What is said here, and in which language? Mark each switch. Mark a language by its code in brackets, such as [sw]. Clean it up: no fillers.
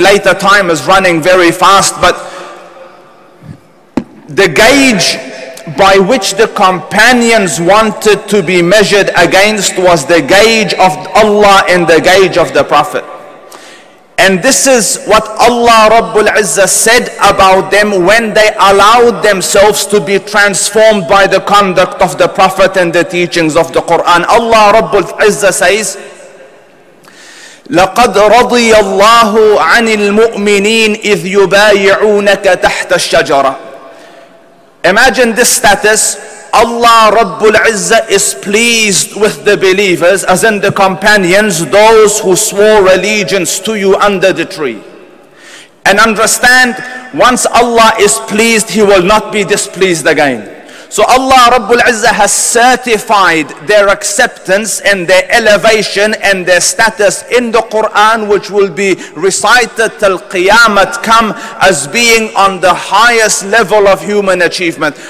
[en] Later, time is running very fast, but the gauge by which the companions wanted to be measured against was the gauge of Allah and the gauge of the Prophet. And this is what Allah Rabbul Izzah said about them when they allowed themselves to be transformed by the conduct of the Prophet and the teachings of the Quran. Allah Rabbul Izzah says, [ar] لَقَدْ رَضِيَ اللَّهُ عَنِ الْمُؤْمِنِينَ إِذْ يُبَايِعُونَكَ تَحْتَ الشَّجَرَةِ. [en] Imagine this status. Allah Rabbul Izzah is pleased with the believers, as in the companions, those who swore allegiance to you under the tree. And understand, once Allah is pleased, He will not be displeased again. So Allah Rabbul Izzah has certified their acceptance and their elevation and their status in the Quran, which will be recited till Qiyamah come, as being on the highest level of human achievement.